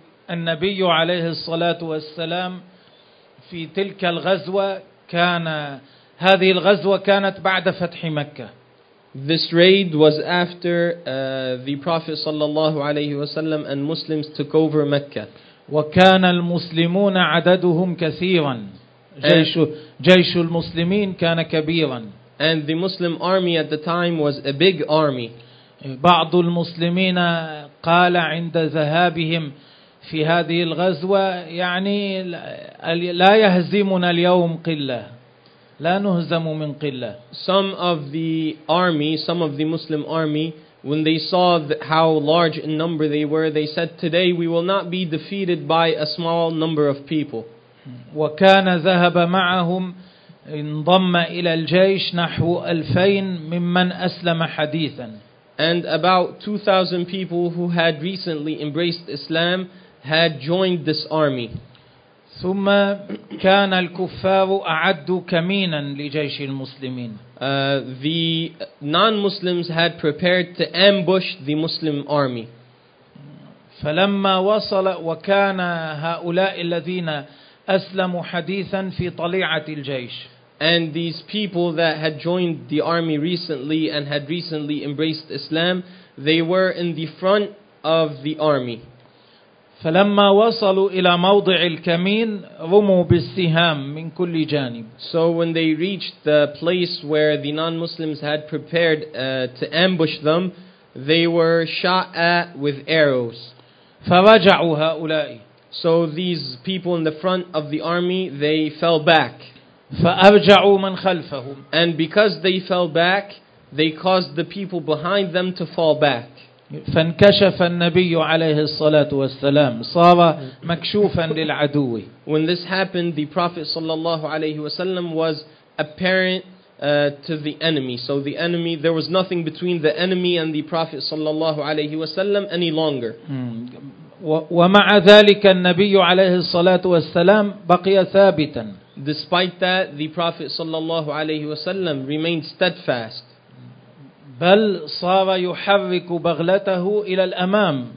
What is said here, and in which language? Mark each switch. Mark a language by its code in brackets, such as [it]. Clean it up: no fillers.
[ar] النبي عليه الصلاة والسلام في تلك الغزوة كان هذه الغزوة كانت بعد فتح مكة. [en] This raid was after the Prophet [ar] صلى الله عليه وسلم [en] and Muslims took over Mecca. [ar] وكان المسلمون عددهم كثيرا. جيش المسلمين كان كبيرا. [en] And the Muslim army at the time was a big army. [ar] بعض المسلمين قال عند ذهابهم في هذه الغزوة يعني لا يهزمنا اليوم قلة. لا نهزم من قلة. [en] Some of the army, some of the Muslim army, when they saw how large in number they were, they said, "Today we will not be defeated by a small number of people." [ar] وكان ذهب معهم انضم إلى الجيش نحو 2000 ممن أسلم حديثا. [en] And about 2,000 people who had recently embraced Islam had joined this army. [ar] ثم كان الكفار أعد كمينا لجيش المسلمين. [en] The non-Muslims had prepared to ambush the Muslim army. [ar] فلما وصل وكان هؤلاء الذين أسلموا حديثا في طليعة الجيش. [en] And these people that had joined the army recently and had recently embraced Islam, they were in the front of the army. [ar] فلما وصلوا إلى موضع الكمين رموا بالسهام من كل جانب. [en] So when they reached the place where the non-Muslims had prepared to ambush them, they were shot at with arrows. [ar] فرجعوا هؤلاء. [en] So these people in the front of the army, they fell back. [ar] فأرجعوا من خلفهم. [en] And because they fell back, they caused the people behind them to fall back. [ar] فانكشف النبي عليه الصلاة والسلام صار مكشوفا للعدو. [en] When this happened, the Prophet [ar] صلى الله عليه وسلم [en] was apparent to the enemy. So the enemy, there was nothing between the enemy and the Prophet [ar] صلى الله عليه وسلم [en] any longer. [ar] ومع ذلك النبي عليه الصلاة والسلام بقي ثابتا. [en] Despite that, the Prophet [ar] صلى الله عليه وسلم [en] remained steadfast. [ar] بل صار يحرك بغلته إلى الأمام.